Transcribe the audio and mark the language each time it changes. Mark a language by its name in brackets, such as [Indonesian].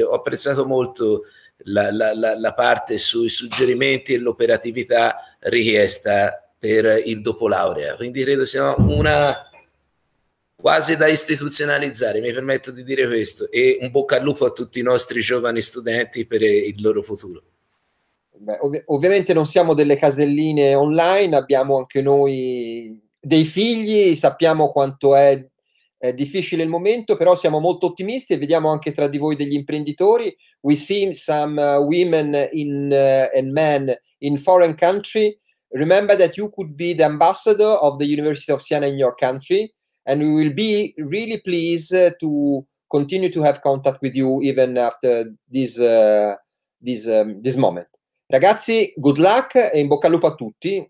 [Italian] Ho apprezzato molto la parte sui suggerimenti e l'operatività richiesta per il dopo laurea, quindi credo sia una quasi da istituzionalizzare, mi permetto di dire questo, e un bocca al lupo a tutti i nostri giovani studenti per il loro futuro. Beh, ovviamente non siamo delle caselline online, abbiamo anche noi dei figli, sappiamo quanto è difficile il momento, però siamo molto ottimisti e vediamo anche tra di voi degli imprenditori. [English] We see some women and men in foreign country. Remember that you could be the ambassador of the University of Siena in your country, and we will be really pleased to continue to have contact with you even after this moment. [Italian] Ragazzi, [English] good luck [Italian] e in bocca al lupo a tutti.